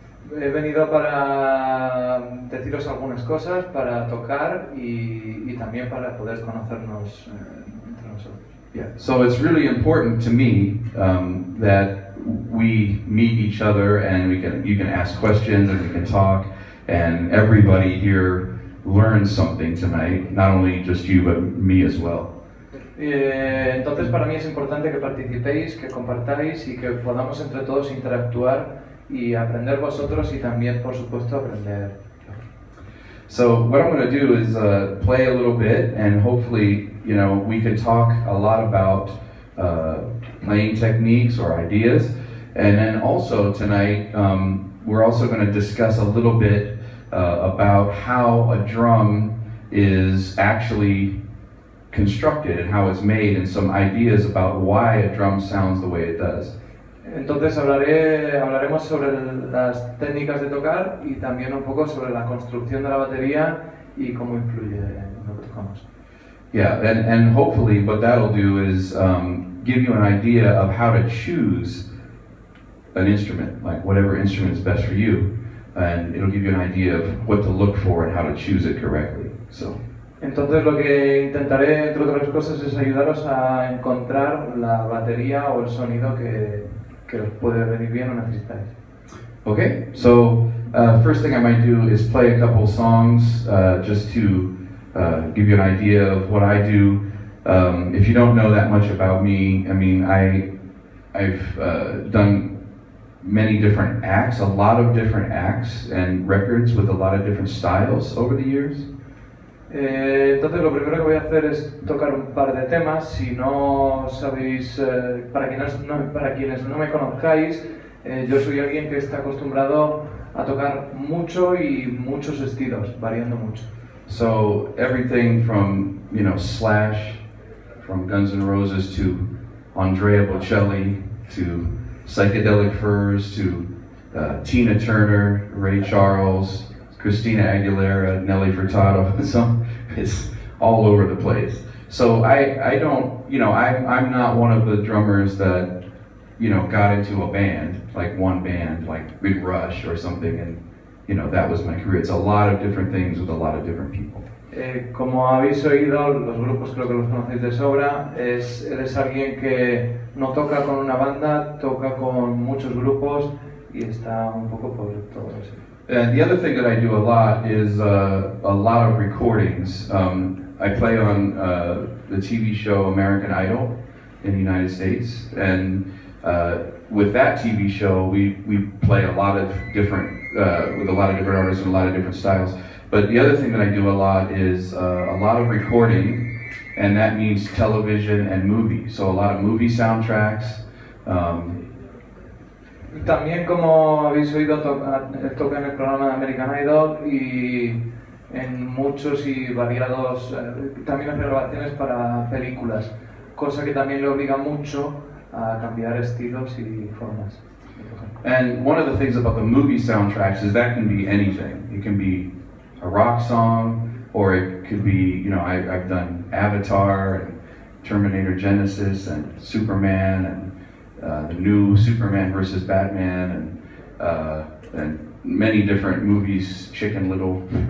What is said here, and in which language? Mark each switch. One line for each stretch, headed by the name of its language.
Spanish: He venido para deciros algunas cosas, para tocar y también para poder conocernos entre nosotros.
English: Yeah. So it's really important to me that we meet each other and you can ask questions and we can talk and everybody here learns something tonight, not only just you but me as well.
Spanish: Entonces para mí es importante que participéis, que compartáis y que podamos entre todos interactuar y aprender vosotros y también, por supuesto, aprender.
English: So what I'm going to do is play a little bit and hopefully, you know, we can talk a lot about playing techniques or ideas. And then also tonight, we're also going to discuss a little bit about how a drum is actually constructed and how it's made and some ideas about why a drum sounds the way it does.
Spanish: Entonces hablaremos sobre las técnicas de tocar y también un poco sobre la construcción de la batería y cómo influye en lo que tocamos.
English: Yeah, and hopefully what that'll do is give you an idea of how to choose an instrument, like whatever instrument is best for you, and it'll give you an idea of what to look for and how to choose it correctly. So.
Spanish: Entonces lo que intentaré, entre otras cosas, es ayudaros a encontrar la batería o el sonido que os puede venir bien o necesitáis.
English: Okay, so first thing I might do is play a couple songs just to give you an idea of what I do. If you don't know that much about me, I mean, I've done many different acts, a lot of different acts and records with a lot of different styles over the years.
Spanish: Entonces lo primero que voy a hacer es tocar un par de temas. Si no sabéis, para quienes no me conozcáis, yo soy alguien que está acostumbrado a tocar mucho y muchos estilos, variando mucho.
English: So everything from, you know, Slash, from Guns N' Roses to Andrea Bocelli to Psychedelic Furs to Tina Turner, Ray Charles, Christina Aguilera, Nelly Furtado, so it's all over the place. So I don't, you know, I'm not one of the drummers that, you know, got into a band, like one band, like Big Rush or something, and, you know, that was my career. It's a lot of different things with a lot of different people.
Spanish: Como habéis oído, los grupos creo que los conocéis de sobra, eres alguien que no toca con una banda, toca con muchos grupos y está un poco por todo eso.
English: And the other thing that I do a lot is a lot of recordings. I play on the TV show American Idol in the United States, and with that TV show, we play a lot of different with a lot of different artists and a lot of different styles. But the other thing that I do a lot is a lot of recording, and that means television and movie. So a lot of movie soundtracks.
Spanish: También, como habéis oído, toca en el programa de American Idol y en muchos y variados, también hace grabaciones para películas, cosa que también le obliga mucho a cambiar estilos y formas.
English: And one of the things about the movie soundtracks is that can be anything. It can be a rock song, or it could be, you know, I've done Avatar and Terminator Genesis and Superman and the new Superman versus Batman and many different movies, Chicken Little.